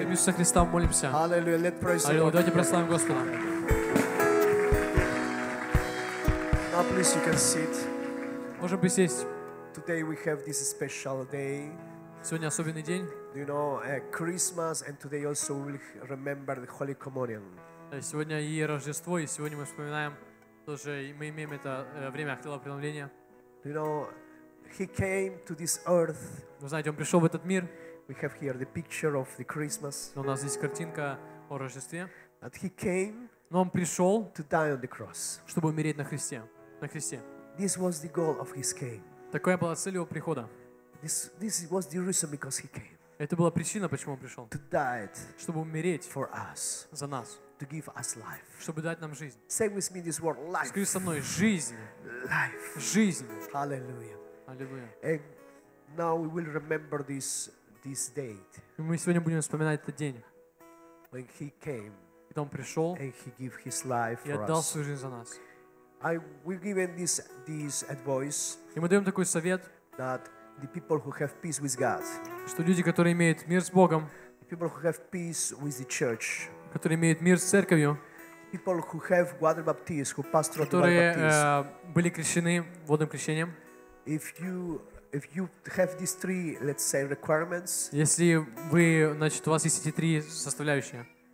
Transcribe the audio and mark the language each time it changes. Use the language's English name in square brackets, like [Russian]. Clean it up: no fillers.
[Russian] Во имя Иисуса Христа молимся. [English] Hallelujah. Let praise the Lord. [Russian] Давайте прославим Господа. [English] Please, you can sit. [Russian] Можем присесть. [English] Today we have this special day. [Russian] Сегодня особенный день. [English] Do you know, Christmas, and today also we will remember the Holy Communion. [Russian] Сегодня и Рождество, и сегодня мы вспоминаем тоже, мы имеем это время хлебопреломления. [English] Do you know, he came to this earth. [Russian] Вы знаете, он пришел в этот мир. [English] We have here the picture of the Christmas. [Russian] У нас здесь картинка о Рождестве. [English] But he came. [Russian] Но он пришел, [English] to die on the cross. [Russian] Чтобы умереть на Христе. На кресте. [English] This was the goal of his came. [Russian] Такая была цель его прихода. [English] This was the reason because he came. [Russian] Это была причина, почему он пришел. [English] To die it. [Russian] Чтобы умереть. [English] For us. [Russian] За нас. [English] To give us life. [Russian] Чтобы дать нам жизнь. [English] Say with me this word life. [Russian] Скажи со мной жизнь. [English] Life. [Russian] Жизнь. [English] Hallelujah. Hallelujah. And now we will remember this date. [Russian] И мы сегодня будем вспоминать этот день. [English] When he came. [Russian] Когда он пришел. [English] And he gave his life for us. [Russian] И отдал свою жизнь за нас. [English] We've given this advice. [Russian] И мы даем такой совет, [English] that the people who have peace with God, [Russian] что люди, которые имеют мир с Богом, [English] the people who have peace with the church, [Russian] которые имеют мир с церковью, [English] people who have water baptism, who passed through [Russian] которые, [English] the water baptism, [Russian] были крещены водным крещением. [English] If you have these three, let's say, requirements, [Russian] если вы, значит, у вас есть эти три составляющие,